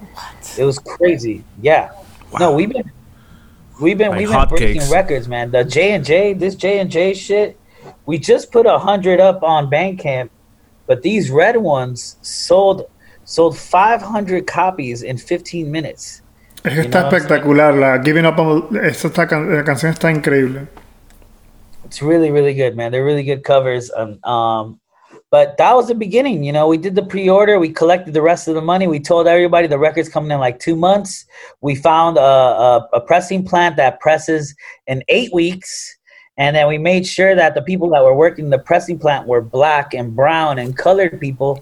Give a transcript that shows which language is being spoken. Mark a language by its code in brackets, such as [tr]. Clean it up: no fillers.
[en] What? It was crazy. Yeah. Wow. No, we've been breaking records, man. The J&J, this J&J shit, we just put 100 up on Bandcamp, but these red ones sold 500 copies in 15 minutes. [es] Es que está espectacular. La Giving Up on, la canción está increíble. [en] It's really, really good, man. They're really good covers. But that was the beginning, you know. We did the pre-order. We collected the rest of the money. We told everybody the record's coming in like 2 months. We found a pressing plant that presses in 8 weeks. And then we made sure that the people that were working the pressing plant were black and brown and colored people.